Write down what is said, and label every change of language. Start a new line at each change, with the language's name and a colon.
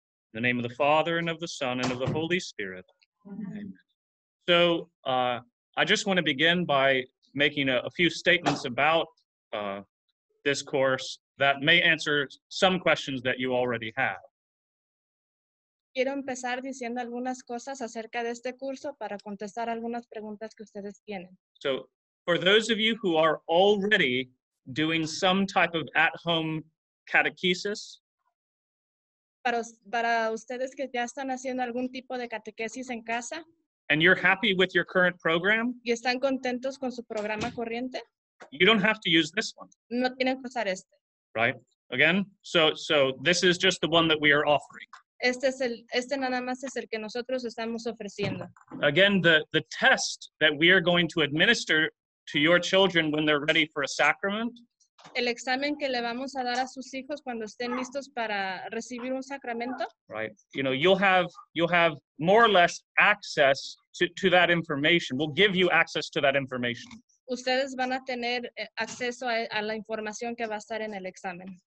English: In the name of the Father, and of the Son, and of the Holy Spirit. Amen. So I just want to begin by making a few statements about this course that may answer some questions that you already have.
Spanish: Quiero empezar diciendo algunas cosas acerca de este curso para contestar algunas preguntas que ustedes tienen.
English: So, for those of you who are already doing some type of at-home catechesis,
Spanish: para ustedes que ya están haciendo algún tipo de catequesis en casa,
English: and you're happy with your current program,
Spanish: y están contentos con su programa corriente,
English: you don't have to use this one.
Spanish: No tienen que usar este.
English: Right? Again? So this is just the one that we are offering.
Spanish: Este nada más es el que nosotros estamos ofreciendo.
English: Again, the test that we are going to administer to your children when they're ready for a sacrament.
Spanish: El examen que le vamos a dar a sus hijos cuando estén listos para recibir un sacramento.
English: Right. You know, you'll have more or less access to that information. We'll give you access to that information.
Spanish: Ustedes van a tener acceso a la información que va a estar en el examen.